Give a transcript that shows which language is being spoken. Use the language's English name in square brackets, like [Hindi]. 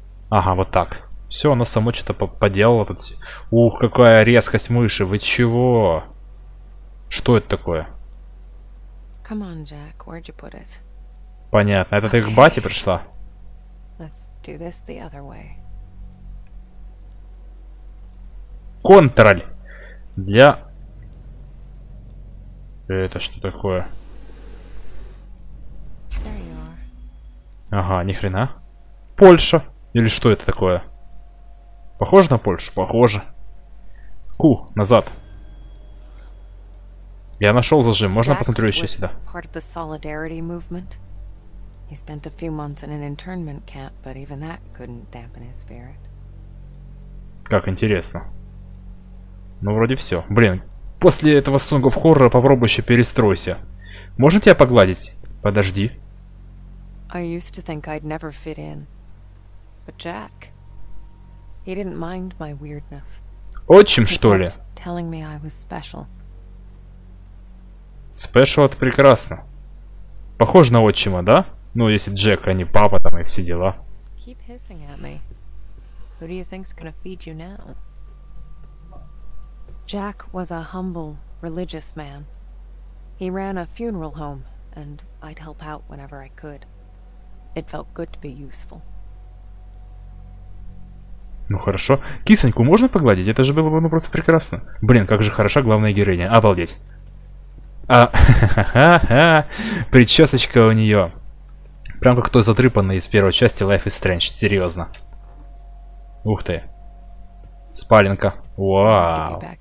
[Russian] Ага, вот так. Все, оно само что-то поделало тут. Ух, какая резкость мыши. Вы чего? Что это такое? [English] Come on, Jack. Where'd you put it? [Russian] Понятно. Это okay. Ты к бате пришла? [English] Let's do this the other way. [Russian] Контроль! Для... Это что такое? [English] There you are. [Russian] Ага, ни хрена. Польша! Или что это такое? Похоже на Польшу? Похоже. Ку, назад. Я нашел зажим, можно посмотрю еще сюда? [English] Part of the solidarity movement. He spent a few months in an internment camp, but even that couldn't dampen his spirit. [Russian] Как интересно. Ну, вроде все. Блин, после этого Song of Horror попробуй еще перестройся. Можно тебя погладить? Подожди. [English] I used to think I'd never fit in. But Jack... He didn't mind my weirdness. [Russian] Отчим, что ли? [English] Telling me I was special. [Russian] Special — это прекрасно. Похоже на отчима, да? Ну, если Джек, а не папа там и все дела. [English] Keep hissing at me. Who do you think's gonna feed you now? Jack was a humble, religious man. He ran a funeral home, and I'd help out whenever I could. It felt good to be useful. [Russian] Ну хорошо. Кисоньку можно погладить? Это же было бы, ну, просто прекрасно. Блин, как же хороша главная героиня. Обалдеть. А, ха-ха-ха-ха, причесочка у нее. Прям как той затрыпанной из первой части Life is Strange, серьезно. Ух ты. Спаленка. Вау.